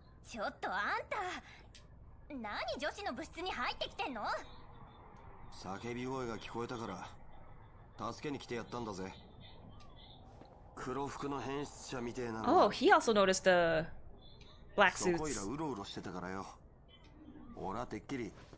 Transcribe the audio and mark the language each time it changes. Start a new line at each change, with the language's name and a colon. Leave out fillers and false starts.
English: Just, what are you doing in the girls' room? I heard a screaming voice.
Japanese: 助けに来てやったんだぜ黒服の変質者みてえな
English: の Oh, he also noticed the black suits
Japanese: そこいらうろうろしてたからよ俺はてっきり